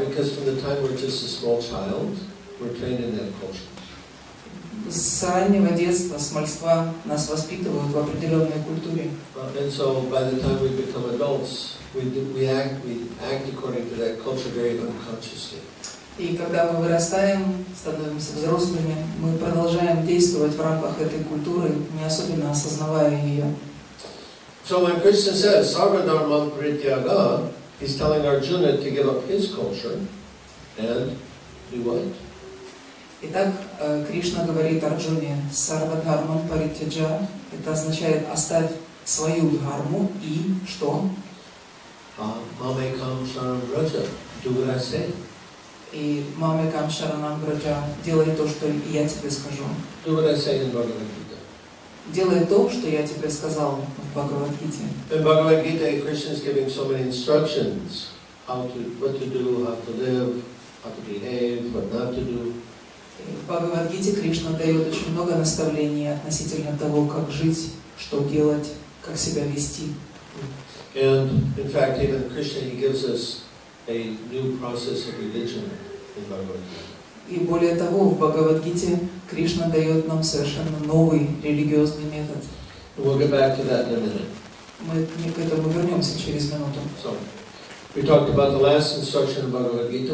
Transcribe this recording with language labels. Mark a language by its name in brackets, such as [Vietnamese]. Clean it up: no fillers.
[English] Because from the time we're just a small child, we're trained in that culture. [Russian] С раннего детства, с мальства нас воспитывают в определенной культуре. [English] And so by the time we become adults, we act according to that culture very unconsciously. [Russian] И когда мы вырастаем, становимся взрослыми, мы продолжаем действовать в рамках этой культуры, не особенно осознавая ее. [English] So when Krishna says [Sanskrit] Sarvadharma Prityaga, [English] he's telling Arjuna to give up his culture and do what? [Russian] Итак, Кришна говорит Арджуне [Sanskrit] Сарвадхарма Паритяджа, [Russian] это означает оставь свою дхарму и что? [Sanskrit] Мамекам шаранам враджа, [English] do what I say. [Russian] И [Sanskrit] мамекам шаранам враджа, [Russian] делай то, что я тебе скажу. [English] Do what I say in Бхагавад-гита. [Russian] Делай то, что я тебе сказал в Бхагавад-гите. [English] In Бхагавад-гита, Krishna is giving so many instructions what to do, how to live, how to behave, what not to do. [Russian] В Бхагавад-гите Кришна дает очень много наставлений относительно того, как жить, что делать, как себя вести. [English] And in fact, even Krishna, he gives us a new process of religion in Bhagavad-gita. [Russian] И более того, в Бхагавад-гите Кришна дает нам совершенно новый религиозный метод. [English] We'll get back to that in a minute. [Russian] Мы к этому вернемся через минуту. [English] So, we talked about the last instruction in Bhagavad-gita.